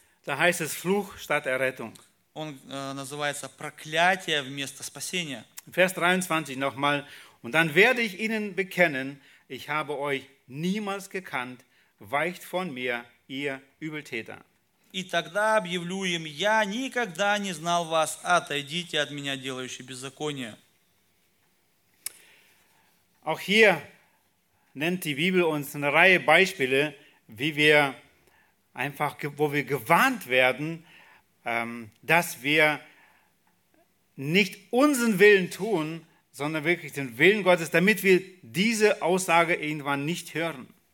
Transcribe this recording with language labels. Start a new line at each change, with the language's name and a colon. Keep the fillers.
German: Da heißt es Fluch statt Errettung.
Russian: Он äh, называется проклятие вместо спасения.
German: Vers 23 nochmal. Und dann werde ich Ihnen bekennen, ich habe euch niemals gekannt, weicht von mir, ihr Übeltäter.
Russian: И тогда объявлю им, я никогда не знал вас, отойдите от меня, делающий беззаконие.
German: Auch hier nennt die Bibel uns eine Reihe Beispiele, wie wir einfach, wo wir gewarnt werden, dass wir nicht unseren Willen tun, sondern wirklich den Willen Gottes, damit wir diese Aussage irgendwann nicht hören.